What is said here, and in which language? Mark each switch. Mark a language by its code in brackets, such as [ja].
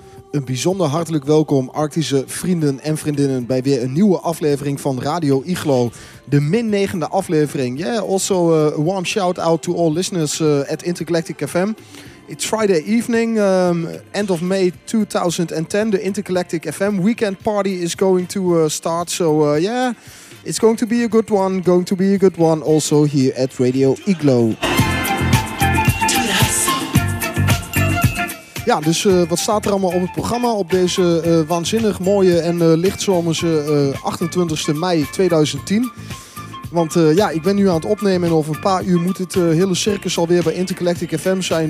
[nl] Een bijzonder hartelijk welkom, Arctische vrienden en vriendinnen, bij weer een nieuwe aflevering van Radio Iglo. De -9e aflevering. [en] Yeah, also a warm shout out to all listeners at Intergalactic FM. It's Friday evening, end of May 2010. The Intergalactic FM weekend party is going to start. So yeah, it's going to be a good one. Going to be a good one also here at Radio Iglo. [nl] Ja, dus wat staat er allemaal op het programma op deze waanzinnig mooie en lichtzomerse 28e mei 2010? Want ja, ik ben nu aan het opnemen en over een paar uur moet het hele circus alweer bij Intergalactic FM zijn.